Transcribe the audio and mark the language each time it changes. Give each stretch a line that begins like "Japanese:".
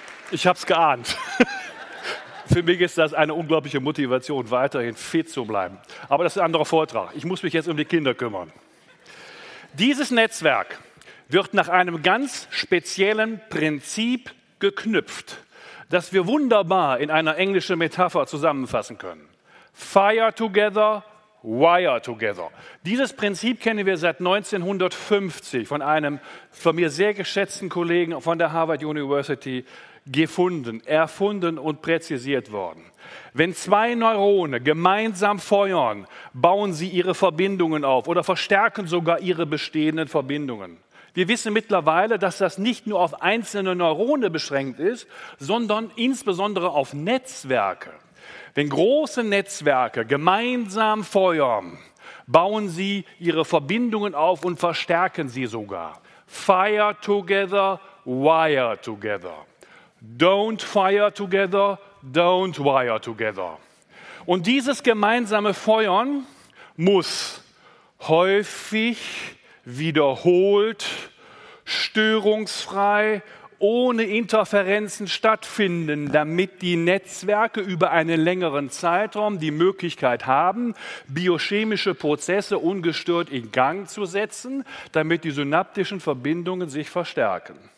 German: Ich habe es geahnt. Für mich ist das eine unglaubliche Motivation, weiterhin fit zu bleiben. Aber das ist ein anderer Vortrag. Ich muss mich jetzt um die Kinder kümmern. Dieses Netzwerk wird nach einem ganz speziellen Prinzip geknüpft, das wir wunderbar in einer englischen Metapher zusammenfassen können.
English: Fire together, wire together.
German: Dieses Prinzip kennen wir seit 1950 von einem von mir sehr geschätzten Kollegen von der Harvard University gefunden, erfunden und präzisiert worden. Wenn zwei Neurone gemeinsam feuern, bauen sie ihre Verbindungen auf oder verstärken sogar ihre bestehenden Verbindungen. Wir wissen mittlerweile, dass das nicht nur auf einzelne Neurone beschränkt ist, sondern insbesondere auf Netzwerke. Wenn große Netzwerke gemeinsam feuern, bauen sie ihre Verbindungen auf und verstärken sie sogar.
English: Fire together, wire together. Don't fire together, don't wire together.
German: Und dieses gemeinsame Feuern muss häufig, wiederholt, störungsfrei ohne Interferenzen stattfinden, damit die Netzwerke über einen längeren Zeitraum die Möglichkeit haben, biochemische Prozesse ungestört in Gang zu setzen, damit die synaptischen Verbindungen sich verstärken.